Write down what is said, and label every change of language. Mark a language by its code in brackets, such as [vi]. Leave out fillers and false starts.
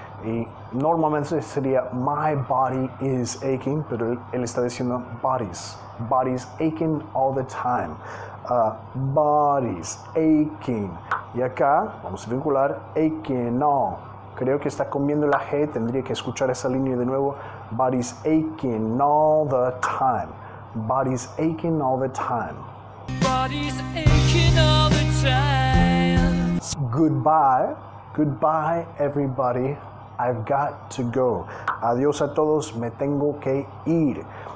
[es] Y normalmente sería [en] my body is aching, [es] pero él está diciendo bodies. [en] Bodies aching all the time. Bodies aching. [es] Y acá vamos a vincular [en] aching all. [es] Creo que está comiendo la G, tendría que escuchar esa línea de nuevo. [en] Bodies aching all the time. Bodies aching all the time. Bodies aching all the time. Goodbye, everybody. I've got to go. [es] Adiós a todos, me tengo que ir.